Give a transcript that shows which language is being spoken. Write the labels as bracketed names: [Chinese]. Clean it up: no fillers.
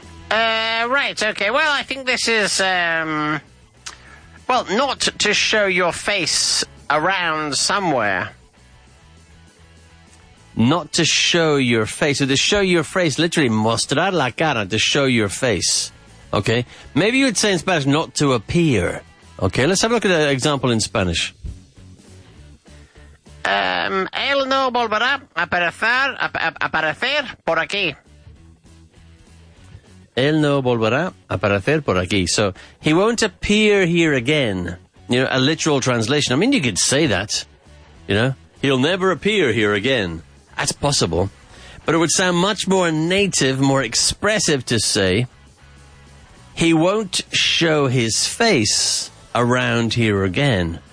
[English] Right, okay, well, I think this is, not to show your face around somewhere. Not to show your face. So to show your face, literally, [Spanish] mostrar la cara, [English] to show your face. Okay? Maybe you would say in Spanish, not to appear. Okay, let's have a look at an example in Spanish. [Spanish] Él no volverá a aparecer por aquí. Él no volverá a aparecer por aquí. [English] So, he won't appear here again. You know, a literal translation. I mean, you could say that, you know? He'll never appear here again. That's possible. But it would sound much more native, more expressive to say, he won't show his face around here again.